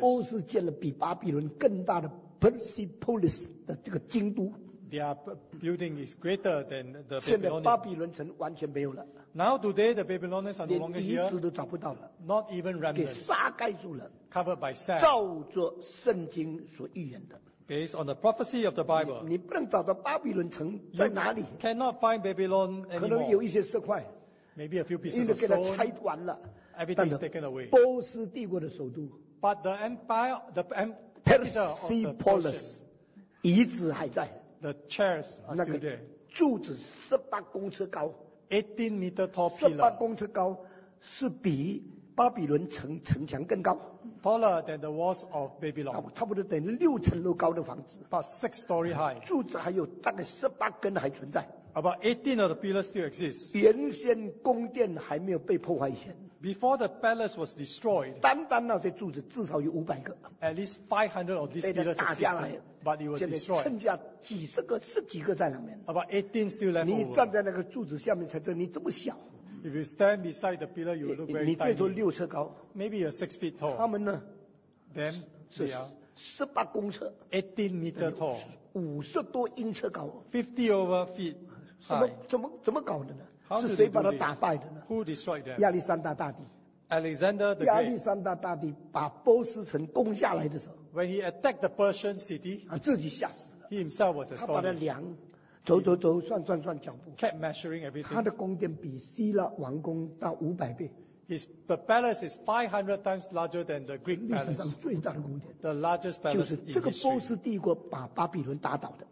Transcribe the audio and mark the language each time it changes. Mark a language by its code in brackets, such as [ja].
[zh] 波斯建了比巴比伦更大的 Persepolis 的这个京都。 [en] Their building is greater than the [zh] 现在巴比伦城完全没有了。 [en] Now today the Babylonians are no longer here. [zh] 连遗址都找不到了。 [en] Not even remnants. [zh] 给沙盖住了。 [en] Covered by sand. [zh] 照着圣经所预言的。 [en] Based on the prophecy of the Bible. [zh] 你不能找到巴比伦城在哪里。 [en] You cannot find Babylon anymore. [zh] 可能有一些石块。 [en] Maybe a few pieces of stone. [zh] 因为给它拆完了。 [en] Everything is taken away. [zh] 波斯帝国的首都。 [en] But the empire, the capital of the [zh] Persepolis. 遗址还在。 [en] The chairs are still there. [zh] 那个柱子18公尺高 [en] ，18 meter tall pillar. [zh] 18公尺高是比巴比伦城城墙更高 [en] ，taller than the walls of Babylon. [zh] 差不多等于6层楼高的房子 [en] ，about 6 story high. [zh] 柱子还有大概18根还存在 [en] ，about 18 of the pillars still exist. [zh] 原先宫殿还没有被破坏前。 [en] Before the palace was destroyed, [zh] 单单那些柱子至少有500个。 [en] At least 500 of these pillars existed, but it was destroyed. [zh] 剩下几十个、十几个在上面。 [en] About 18 still left over. [zh] 你站在那个柱子下面才知道你这么小。 [en] If you stand beside the pillar, you look very tiny. [zh] 你最多6尺高。 [en] Maybe you're 6 feet tall. [zh] 他们呢 [en] ？Them, they [zh] are 18公尺。 [en] 18 meter tall. [zh] 50多英尺高。 [en] 50 feet. [zh] 怎么搞的呢？是谁把他打败的呢 [en] ？Who destroyed them？ [zh] 亚历山大大帝。 [en] Alexander the Great。 [zh] 亚历山大大帝把波斯城攻下来的时候 [en] ，When he attacked the Persian city， [zh] 自己吓死了。 [en] He himself was astonished。 [zh] 他把他量，走，算脚步。 [en] Kept measuring everything。 [zh] 他的宫殿比希腊王宫大500倍。 [en] The palace is 500 times larger than the Greek palace. [zh] 历史上最大的宫殿。 [en] The largest palace in history。 [zh] 就是这个波斯帝国把巴比伦打倒的。